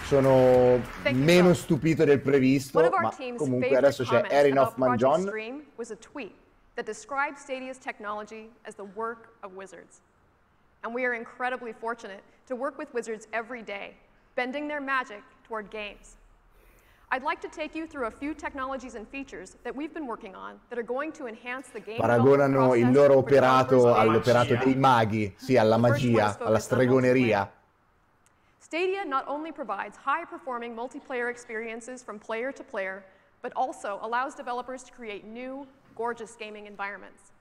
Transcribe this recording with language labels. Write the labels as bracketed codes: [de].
[it] Sono meno stupito del previsto, ma comunque adesso c'è Erin Hoffman John. [en] Was a tweet that described Stadia's technology as the work of wizards. And we are incredibly fortunate to work with wizards every day, bending their magic toward games. I'd like to take you through a few technologies and features that we've been working on that are going to enhance the game. [it] Paragonano il loro operato all'operato dei maghi, sì, alla magia, alla stregoneria. [en] Stadia not only provides high-performing multiplayer experiences from player to player, but also allows developers to create new, gorgeous gaming environments.